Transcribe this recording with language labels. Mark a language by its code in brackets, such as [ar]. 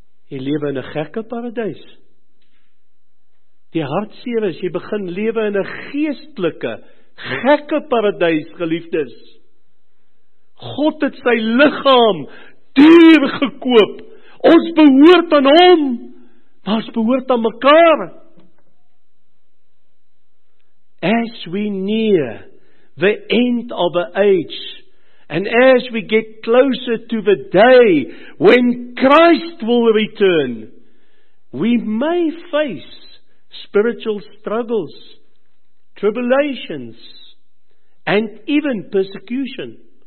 [af] Jy lewe in 'n gekke paradys. Die hartseer is, jy begin lewe in 'n geestelike, gekke paradys, geliefdes. God het sy liggaam duur gekoop. Ons behoort aan hom, maar ons behoort aan mekaar. [en] As we near the end of the age, and as we get closer to the day when Christ will return, we may face spiritual struggles, tribulations, and even persecution.